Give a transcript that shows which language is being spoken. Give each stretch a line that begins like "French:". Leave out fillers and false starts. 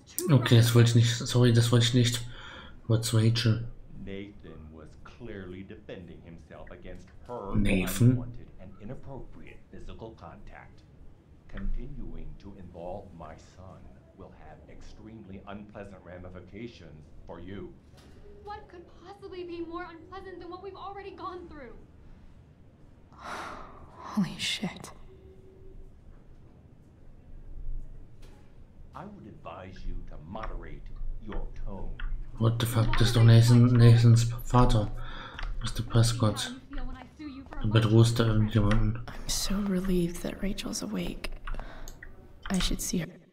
German: Okay, das wollte ich nicht. Sorry, das wollte ich nicht.
English: What's Rachel? Nathan was clearly defending himself against her Nathan? Unwanted and inappropriate physical contact. Continuing to involve my son will have extremely unpleasant ramifications for you. What could possibly be more unpleasant than what we've already gone through? Holy shit. I would advise you to moderate your tone. What the fuck
German: ist doch Nathans Vater, Mr. Prescott. Du bedrohst da irgendjemanden.
English: I'm so relieved that Rachel's awake. I should see her.